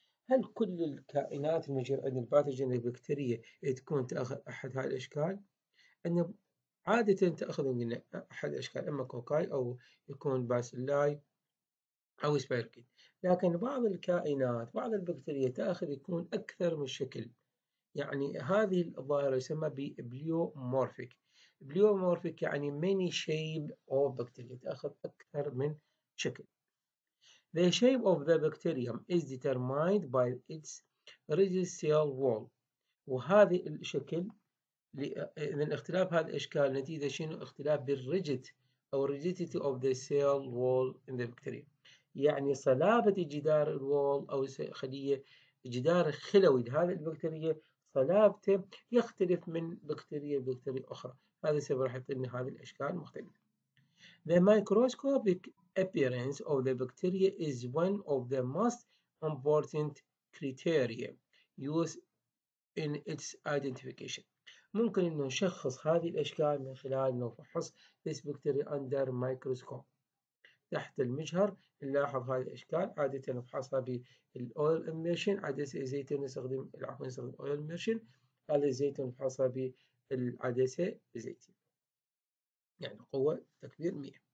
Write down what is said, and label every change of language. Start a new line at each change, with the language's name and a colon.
Arabic: هل كل الكائنات المجهولة عند الباثوجين البكتيريا تكون تأخذ أحد هذه الأشكال؟ أن عادة تأخذ من أحد الأشكال، إما كوكاي أو يكون باسيلاي أو سبيركين. لكن بعض الكائنات، بعض البكتيريا تأخذ يكون أكثر من شكل. يعني هذه الظاهرة يسمى بليومورفيك. بليومورفيك يعني
English: many shape of bacteria،
Arabic: تأخذ أكثر من شكل.
English: The shape of the bacterium is determined by its rigid cell wall.
Arabic: وهذه الشكل من اختلاف هذه الأشكال نتيجة شنو؟ اختلاف بالrigid أو
English: rigidity of the cell wall in the bacteria،
Arabic: يعني صلابة جدار الوال أو خلية جدار خلوي لهذه البكتيريا صلابته يختلف من بكتيريا لبكتيريا أخرى. هذا السبب راح يعطينا هذه الأشكال المختلفة.
English: The microscopic appearance of the bacteria is one of the most important criteria used in its identification.
Arabic: ممكن إنه نشخص هذه الأشكال من خلال نفحص
English: this bacteria under microscope.
Arabic: تحت المجهر نلاحظ هذه الأشكال، عادة نفحصها بالأويل إميرشن، عادة زيت نستخدم العفو نستخدم أويل إميرشن، هذا الزيت نفحصها بالعدسة الزيتية، يعني قوة تكبير 100.